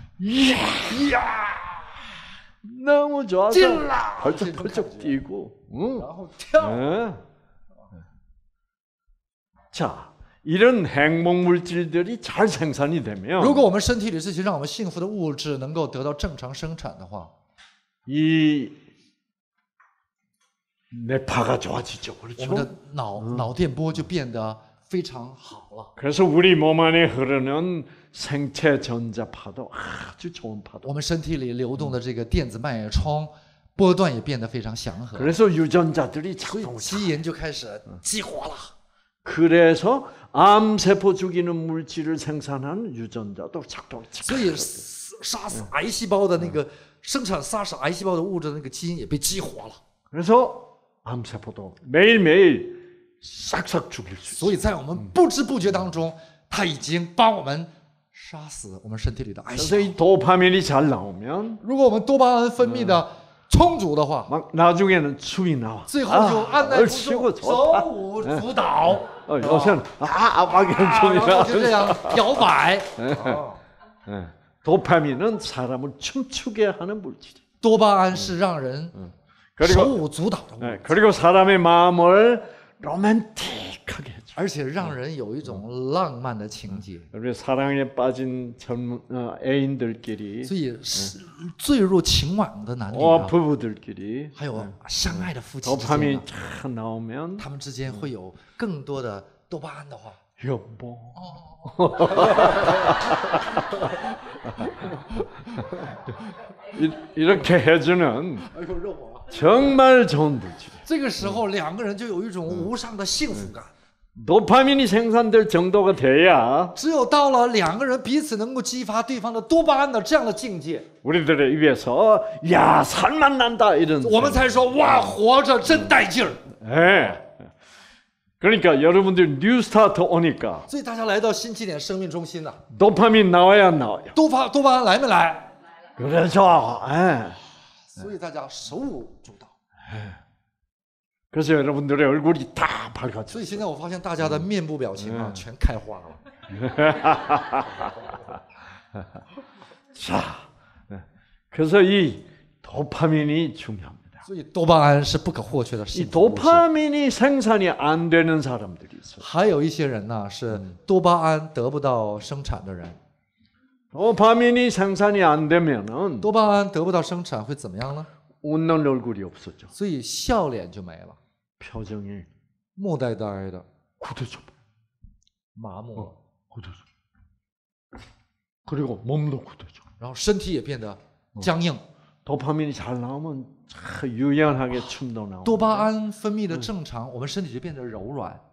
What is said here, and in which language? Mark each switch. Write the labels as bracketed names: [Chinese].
[Korean] 이야, 너무 좋아서 펄쩍펄쩍 뛰고, 자, 이런 행복 물질들이 잘 생산이 되면, [Chinese] 如果我们身体里这些让我们幸福的物质能够得到正常生产的话， [Korean] 이 뇌파가 좋아지죠, 그렇죠? [Chinese] 我们的脑电波就变得非常好了。 [Korean] 그래서 우리 몸 안에 흐르는 생체 전자파도 아주 좋은 파도. [Chinese] 我们身体里流动的这个电子脉冲波段也变得非常祥和。 [Korean] 그래서 유전자들이 작동. [Chinese] 基因就开始激活了。 [Korean] 그래서 암세포 죽이는 물질을 생산하는 유전자도 작동. [Chinese] 所以杀死癌细胞的那个生产杀死癌细胞的物质的那个基因也被激活了。 [Korean] 그래서 암세포도 매일매일 싹싹 죽일 수 있어요. [Chinese] 所以在我们不知不觉当中，他已经帮我们杀死我们身体里的癌细胞。 [Korean] 그래서 이 도파민이 잘 나오면 [Chinese] 如果我们多巴胺分泌的 充足的话, [Korean] 막 나중에는 춤이 나와. 도파민은 사람을 춤추게 하는 물질. [Chinese] 多巴胺是让人手舞足蹈的物质. [Korean] 그리고 사람의 마음을 로맨틱하게 해줘. [Chinese] 而且让人有一种浪漫的情节. [Korean] 그리고 사랑에 빠진 젊은 애인들끼리. [Chinese] 坠入情网的男女啊, [Korean] 부부들끼리. [Chinese] 还有相爱的夫妻之间. [Korean] 도파민 탁 나오면. [Chinese] 他们之间会有更多的多巴胺的话. [Korean] 여보. 이렇게 해주는 정말 좋은 물질. [Chinese] 这个时候两个人就有一种无上的幸福感。 [Korean] 도파민이 생산될 정도가 돼야 [Chinese] 只有到了两个人彼此能够激发对方的多巴胺的这样的境界。 [Korean] 우리들의 입에서 야 살만 난다 이런. [Chinese] 我们才说哇活着真带劲儿。哎。 [Korean] 그러니까 여러분들 뉴스타트 오니까. [Chinese] 所以大家来到新起点生命中心呐。 [Korean] 도파민 나와야 나와요. [Chinese] 도파민 来没 来? [Korean] 그렇죠. [Chinese] 所以大家手舞足蹈。 [Korean] 그래서 여러분들의 얼굴이 다 밝아졌어요. [Chinese] 所以现在我发现大家的面部表情啊全开花了。 [Korean] 자, 그래서 이 도파민이 중요합니다. [Chinese] 所以多巴胺是不可或缺的幸福物质. [Korean] 도파민이 생산이 안 되는 사람들이 있어요. [Chinese] 还有一些人呢是多巴胺得不到生产的人. [Korean] 도파민이 생산이 안 되면은 [Chinese] 多巴胺得不到生产会怎么样呢? [Korean] 웃는 얼굴이 없어져. [Chinese] 所以笑脸就没了. [Korean] 표정이 [Chinese] 木呆呆的. [Korean] 굳어져. 마모. 굳어져. 그리고 몸도 굳어져. [Chinese] 然后身体也变得僵硬. [Korean] 도파민이 잘 나오면 유연하게 춤도 나오고. [Chinese] 多巴胺分泌的正常，我们身体就变得柔软。